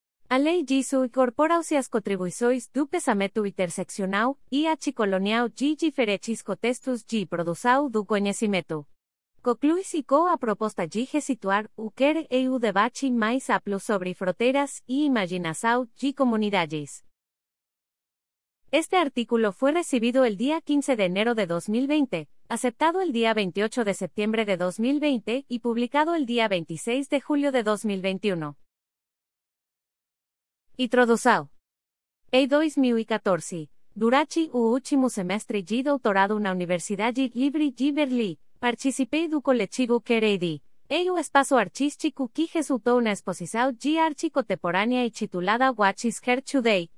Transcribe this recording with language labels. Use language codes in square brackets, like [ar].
[pt] Além disso, incorporam-se as contribuições do pensamento interseccional e anticolonial de diferentes contextos de produção do conhecimento. Conclui-se com a proposta de resituar o care e o debate mais amplo sobre fronteiras e imaginação de comunidades. [es] Este artículo fue recibido el día 15 de enero de 2020, aceptado el día 28 de septiembre de 2020 y publicado el día 26 de julio de 2021. [pt] Introduzao. Em 2014, durante o último semestre de doutorado na Universidade Livre de Berlim, participei do coletivo Quereidi, em um espaço artístico que resultou na exposição de arte contemporânea intitulada What is Care Today?